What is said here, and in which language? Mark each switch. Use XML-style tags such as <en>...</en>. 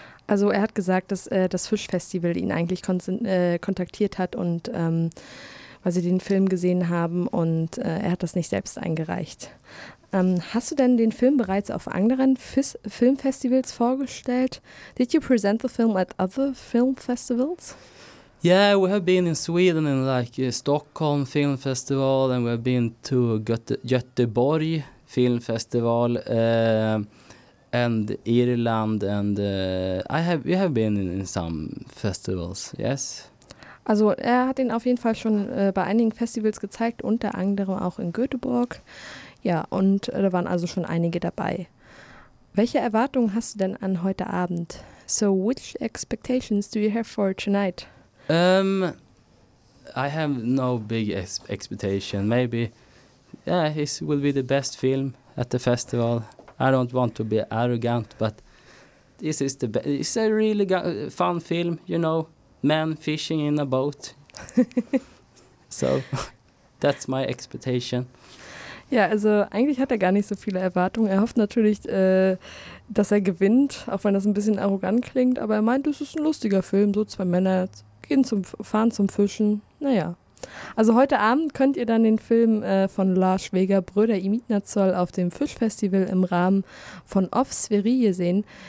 <de>Also er hat gesagt, dass das Fischfestival ihn eigentlich kontaktiert hat und weil sie den Film gesehen haben und er hat das nicht selbst eingereicht. Hast du denn den Film bereits auf anderen Filmfestivals vorgestellt?</de> <en>Did you present the film at other film festivals? Yeah, we have been in Sweden in like Stockholm Film Festival, and we have been to Göteborg Film Festival, and Irland, and we have been in some festivals, yes.</en> <de>Also er hat ihn auf jeden Fall schon bei einigen Festivals gezeigt, unter anderem auch in Göteborg. Ja, und da waren also schon einige dabei. Welche Erwartungen hast du denn an heute Abend?</de> <en>So which expectations do you have for tonight? I have no big expectation. Maybe, yeah, it will be the best film at the festival. I don't want to be arrogant, but this is the best. It's a really fun film, you know, men fishing in a boat. So, that's my expectation.</en> <de>Ja, also eigentlich hat er gar nicht so viele Erwartungen. Er hofft natürlich, dass er gewinnt, auch wenn das ein bisschen arrogant klingt. Aber er meint, es ist ein lustiger Film. So zwei Männer gehen zum fahren zum Fischen. Naja. Also heute Abend könnt ihr dann den Film von Lars Schweger, Brüder Imitnazoll, auf dem Fischfestival im Rahmen von Off Sverige sehen.</de>